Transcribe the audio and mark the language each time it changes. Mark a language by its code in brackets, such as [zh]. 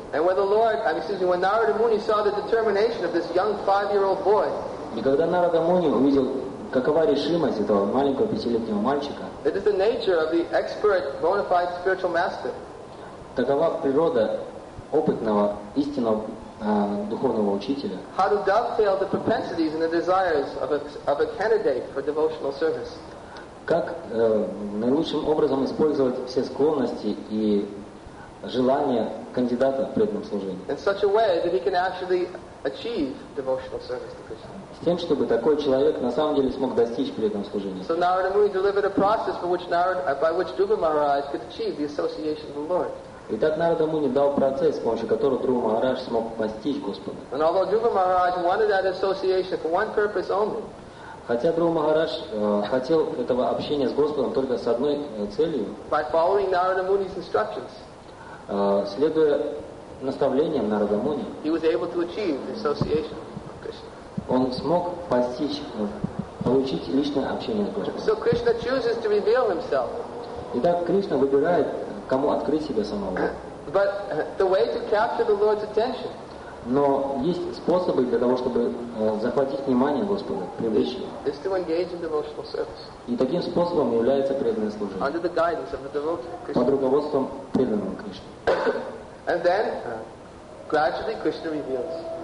[en] When Narada Muni saw the determination of this young 5-year-old boy, [ru] и когда Нарада Муни увидел, какова решимость этого маленького 5-летнего мальчика, [en] it is the nature of the expert, bona fide spiritual master. [ru] Такова природа опытного, истинного духовного учителя. [en] How to dovetail the propensities and the desires of a candidate for devotional service. [ru] Как наилучшим образом использовать все склонности и желания кандидата в преданном служении. [en] In such a way that he can actually achieve devotional service to Krishna. [ru] С тем, чтобы такой человек на самом деле смог достичь преданного служения. [en] So Narada Muni delivered a process by which Dhruva Maharaj could achieve the association of the Lord. [ru] Итак, Нарада Муни дал процесс, с помощью которого Дхрува Махарадж смог постичь Господа. [en] And although Dhruva Maharaj wanted that association for one purpose only, [ru] хотя Дхрува Махарадж хотел этого общения с Господом только с одной целью, [en] by following Narada Muni's instructions, [ru] следуя наставлениям Нарада Муни, [en] he was able to achieve the association of Krishna. [ru] Он смог постичь, получить личное общение с Господом. [en] So Krishna chooses to reveal himself. [ru] Итак, Кришна выбирает, кому открыть себя самого. [en] But the way to capture the Lord's attention. [ru] Но есть способы для того, чтобы захватить внимание Господа, привлечь его. [en] Is to engage in devotional service. [ru] И таким способом является преданное служение. [en] Under the guidance of the devotee, Krishna. [ru] Под руководством преданного Кришны. [en] And then, gradually Krishna reveals.